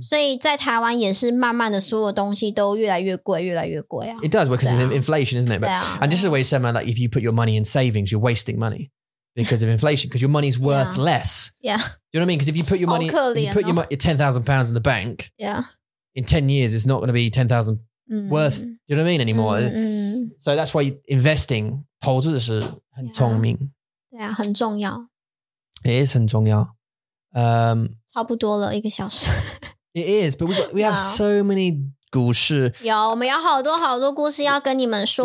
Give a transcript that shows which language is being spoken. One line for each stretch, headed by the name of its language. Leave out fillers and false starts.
Chinese: 所以在台湾也是慢慢的所有东西都越来越贵越来越贵啊
English: It does because of inflation isn't it but,、啊、 And this is why you said like if you put your money in savings you're wasting money because of inflation because your money's worth yeah. less Yeah Do you know what I mean because if you put your money your £10,000 in the bank Yeah In 10 years it's not going to be £10,000 worth、嗯、 Do you know what I mean anymore、嗯、 So that's why investing
Chinese: 投资是很聪明 yeah. 对啊很重要
English: It is
Chinese: 很重要。差不多了一个小时。
English: It is, but we have so many 故事。
Chinese: 有我们有好多好多故事要跟你们说。